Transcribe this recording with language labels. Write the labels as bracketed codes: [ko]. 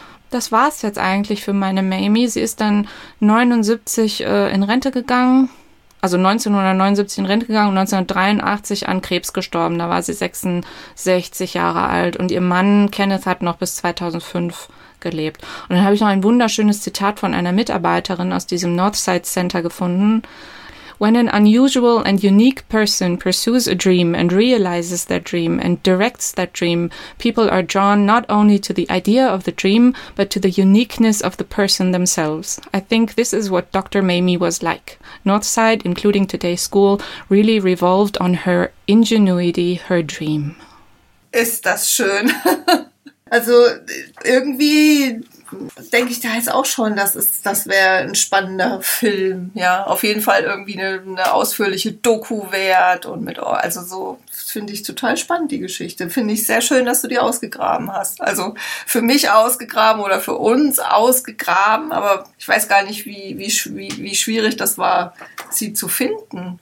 [de] Das war es jetzt eigentlich für meine Mamie. Sie ist dann 79 in Rente gegangen, also 1979 in Rente gegangen und 1983 an Krebs gestorben. Da war sie 66 Jahre alt und ihr Mann Kenneth hat noch bis 2005 gelebt. Und dann habe ich noch ein wunderschönes Zitat von einer Mitarbeiterin aus diesem Northside Center gefunden. [en] When an unusual and unique person pursues a dream and realizes that dream and directs that dream, people are drawn not only to the idea of the dream, but to the uniqueness of the person themselves. I think this is what Dr. Mamie was like. Northside, including today's school, really revolved on her ingenuity, her dream. [de] Ist das schön. Also irgendwie denke ich da jetzt auch schon, das wäre ein spannender Film, ja, auf jeden Fall irgendwie eine ausführliche Doku wert und mit, also so finde ich total spannend die Geschichte, finde ich sehr schön, dass du die ausgegraben hast, also für mich ausgegraben oder für uns ausgegraben, aber ich weiß gar nicht, wie schwierig das war, sie zu finden.